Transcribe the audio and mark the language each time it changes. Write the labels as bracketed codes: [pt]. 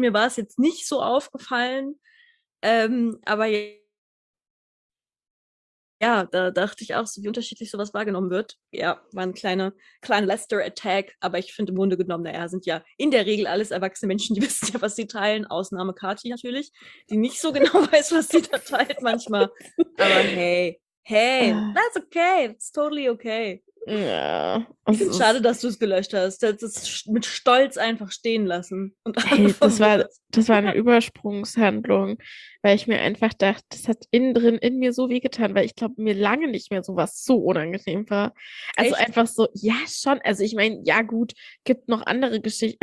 [de] Mir war es jetzt nicht so aufgefallen. Aber ja, da dachte ich auch so, wie unterschiedlich sowas wahrgenommen wird. Ja, war ein kleiner Lester-Attack, aber ich finde im Grunde genommen, naja, sind ja in der Regel alles erwachsene Menschen, die wissen ja, was sie teilen, Ausnahme Kathi natürlich, die nicht so genau weiß, was sie da teilt manchmal. [en] Aber hey, that's okay, it's totally okay. [de] Ja. Ich finde es schade, dass du es gelöscht hast. Du hättest es mit Stolz einfach stehen lassen. Das war eine Übersprungshandlung, weil ich mir einfach dachte, das hat innen drin in mir so weh getan, weil ich glaube, mir lange nicht mehr sowas so unangenehm war. Also echt? Einfach so, ja schon. Also ich meine, ja gut, gibt noch andere Geschichten.